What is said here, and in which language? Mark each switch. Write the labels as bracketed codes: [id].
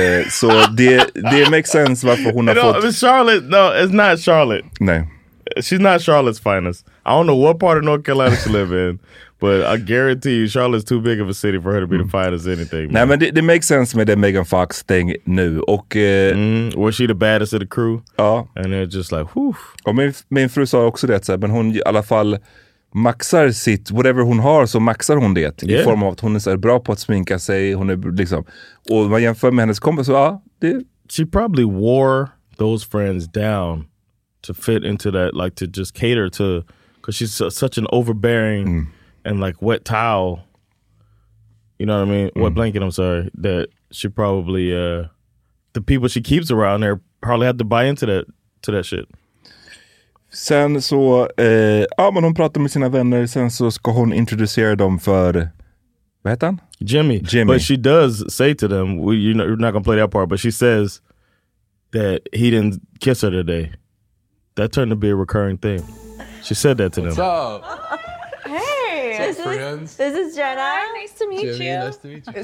[en] So it makes sense [sv] varför hon har fått... [en] Charlotte, no, it's not Charlotte. No. She's not Charlotte's finest. I don't know what part of North Carolina she live in, but I guarantee you Charlotte's too big of a city for her to be the finest anything. [sv] Nej, men det [en] makes sense [sv] med det Megan Fox thing nu. Och, [en] was she the baddest of the crew? [sv] Ja. [en] And they're just like, whew. [sv] Och min fru sa också det, så här, men hon i alla fall maxar sitt, [en] whatever [sv] hon har så maxar hon det. [en] Yeah. [sv] I form av att hon är så bra på att sminka sig. Hon är liksom, och man jämför med hennes kompis, så ja. Det. [en] She probably wore those friends down. To fit into that, like to just cater to, because she's such an overbearing and like wet towel, you know what I mean? Wet blanket, I'm sorry, that she probably, the people she keeps around there probably have to buy into that, to that shit. [sv] Sen så, ja men hon pratar med sina vänner, sen så ska hon introducera dem för, vad heter han? [en] Jimmy. But she does say to them, you're not gonna play that part, but she says that he didn't kiss her today. That turned to be a recurring thing. She said that to What's them. What's up? friends. This is Jenna. Hi, nice to meet Jimmy, you. Nice to meet you.